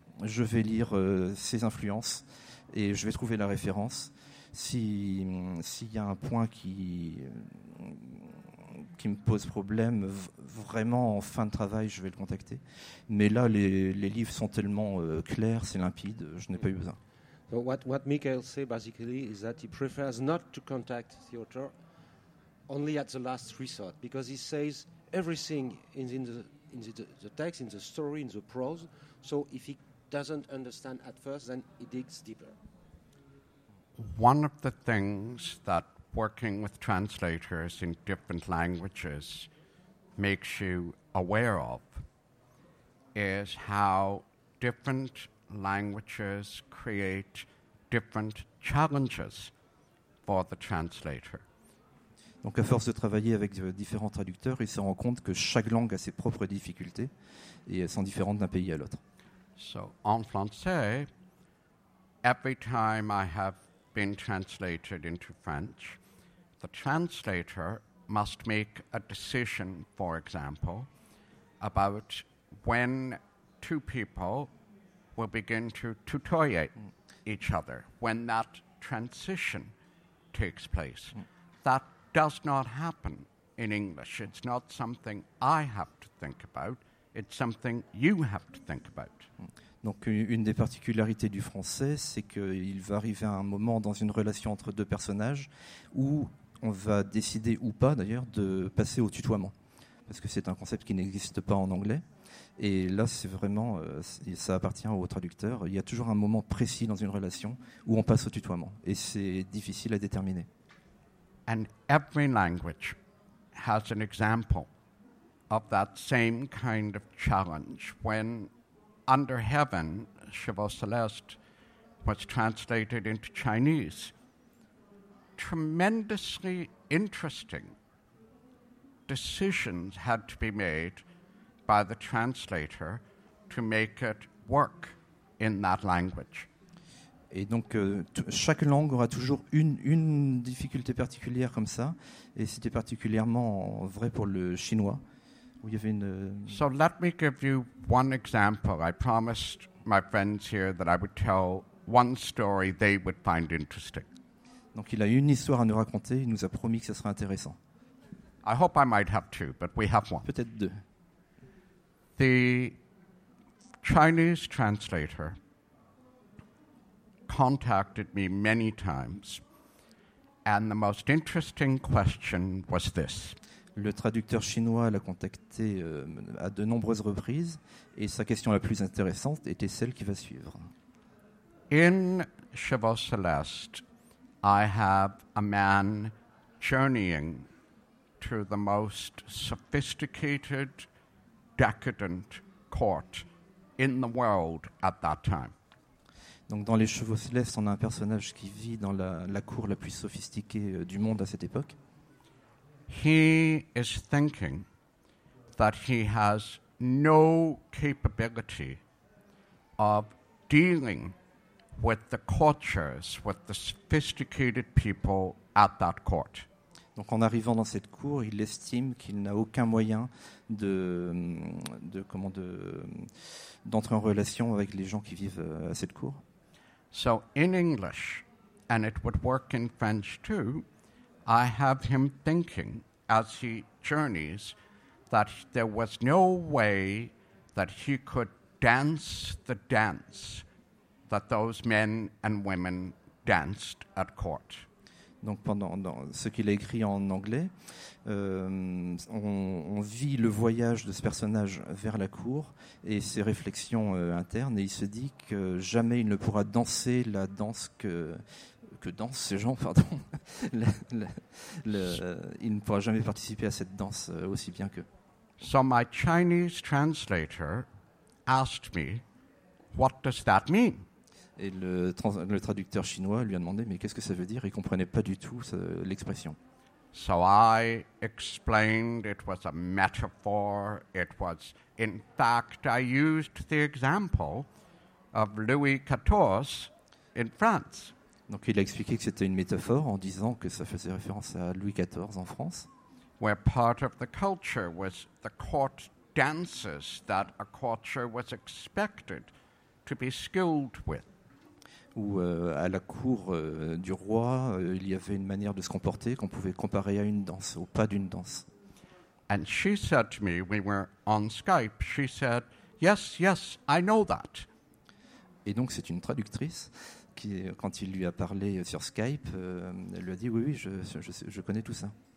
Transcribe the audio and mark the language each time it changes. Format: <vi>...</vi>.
<fr>Je vais lire ses influences et je vais trouver la référence. S'il y a un point qui me pose problème, vraiment en fin de travail, je vais le contacter. Mais là, les livres sont tellement clairs, c'est limpide, je n'ai pas eu besoin.</fr> <en>So what Mikhail say basically is that he prefers not to contact the author only at the last resort, because he says everything is in the text, in the story, in the prose. So if he doesn't understand at first, then he digs deeper. One of the things that working with translators in different languages makes you aware of is how different languages create different challenges for the translator.</en> <fr>Donc à force de travailler avec différents traducteurs, il se rend compte que chaque langue a ses propres difficultés et elles sont différentes d'un pays à l'autre.</fr> <en>So</en> <fr>en français,</fr> <en>every time I have been translated into French, the translator must make a decision, for example, about when two people will begin to tutoyer each other, when that transition takes place. That does not happen in English. It's not something I have to think about. It's something you have to think about.</en> <fr>Donc, une des particularités du français, c'est qu'il va arriver à un moment dans une relation entre deux personnages où on va décider ou pas, d'ailleurs, de passer au tutoiement. Parce que c'est un concept qui n'existe pas en anglais. Et là, c'est vraiment, ça appartient au traducteur. Il y a toujours un moment précis dans une relation où on passe au tutoiement. Et c'est difficile à déterminer.</fr> <en>And every language has an example of that same kind of challenge. When Under Heaven, Chevaux Celeste, was translated into Chinese, tremendously interesting decisions had to be made by the translator to make it work in that language.</en> <fr>Et donc, chaque langue aura toujours une difficulté particulière comme ça, et c'était particulièrement vrai pour le chinois. Où il y avait une...</fr> <en>So let me give you one example. I promised my friends here that I would tell one story they would find interesting.</en> <fr>Donc, il a une histoire à nous raconter, il nous a promis que ça serait intéressant.</fr> <en>I hope I might have two, but we have one.</en> <fr>Peut-être deux.</fr> <en>The Chinese translator contacted me many times, and the most interesting question was this.</en> <fr>Le traducteur chinois l'a contacté à de nombreuses reprises, et sa question la plus intéressante était celle qui va suivre.</fr> <en>In Chevaux Celeste, I have a man journeying to the most sophisticated, decadent court in the world at that time.</en> <fr>Donc dans Les Chevaux Célestes, on a un personnage qui vit dans la cour la plus sophistiquée du monde à cette époque.</fr> <en>He is thinking that he has no capability of dealing with the courtiers, with the sophisticated people at that court.</en> <fr>Donc en arrivant dans cette cour, il estime qu'il n'a aucun moyen d'entrer en relation avec les gens qui vivent à cette cour.</fr> <en>So in English, and it would work in French too, I have him thinking as he journeys that there was no way that he could dance the dance that those men and women danced at court.</en> <fr>Donc pendant ce qu'il a écrit en anglais, on vit le voyage de ce personnage vers la cour et ses réflexions internes, et il se dit que jamais il ne pourra danser la danse que dansent ces gens, pardon. il ne pourra jamais participer à cette danse aussi bien qu'eux.</fr> <en>So my Chinese translator asked me, what does that mean?</en> <fr>Et le traducteur chinois lui a demandé, mais qu'est-ce que ça veut dire? Il ne comprenait pas du tout l'expression.</fr> <en>So I explained it was a metaphor. It was, in fact, I used the example of Louis XIV in France.</en> <fr>Donc il a expliqué que c'était une métaphore en disant que ça faisait référence à Louis XIV en France.</fr> <en>Where part of the culture was the court dances that a courtier was expected to be skilled with.</en> <fr>Où à la cour du roi, il y avait une manière de se comporter qu'on pouvait comparer à une danse, au pas d'une danse.</fr> <en>And she said to me, we were on Skype, she said, yes, yes, I know that.</en> <fr>Et donc c'est une traductrice qui, quand il lui a parlé sur Skype, elle lui a dit, oui, je connais tout ça.</fr>